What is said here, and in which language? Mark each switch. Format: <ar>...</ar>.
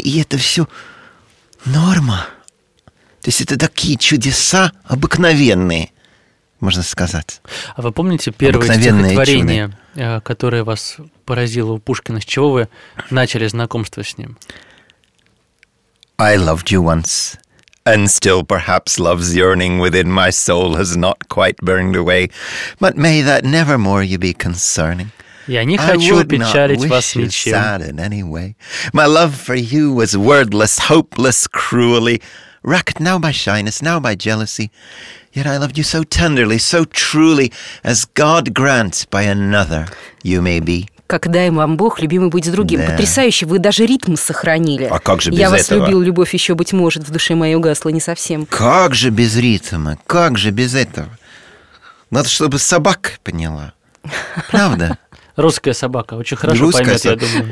<ru>И это все норма. То есть это такие чудеса обыкновенные, можно сказать. А вы помните первое стихотворение, которое вас поразило у Пушкина? С чего вы начали знакомство с ним?</ru> <en>«I loved you once». And still perhaps love's yearning within my soul has not quite burned away. But may that nevermore you be concerning.</en> <ru>Я не хочу печалить вас ничем.</ru> <en>I would not wish you sad in any way. My love for you was wordless, hopeless, cruelly. Wrecked now by shyness, now by jealousy. Yet I loved you so tenderly, so truly, as God grant by another you may be.</en> <ru>Как дай вам Бог, любимый быть с другим. Да. Потрясающе, вы даже ритм сохранили. А как же без Я этого? Я вас любил, любовь еще, быть может, в душе моей угасла не совсем. Как же без ритма, как же без этого? Надо, чтобы собака поняла. Правда? Русская собака очень хорошо русская поймет, я думаю.</ru>